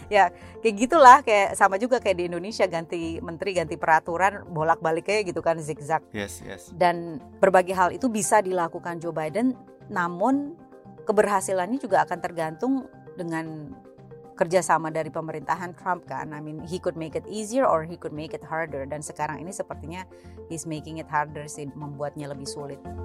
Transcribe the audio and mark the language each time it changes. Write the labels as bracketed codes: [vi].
[id] Ya kayak gitulah, kayak sama juga kayak di Indonesia, ganti menteri, ganti peraturan, bolak-balik kayak gitu kan, zigzag. [en] Yes. [id] Dan berbagai hal itu bisa dilakukan Joe Biden, namun keberhasilannya juga akan tergantung dengan kerjasama dari pemerintahan Trump kan. [en] I mean, he could make it easier or he could make it harder. [id] Dan sekarang ini sepertinya [en] he's making it harder [id] sih, membuatnya lebih sulit.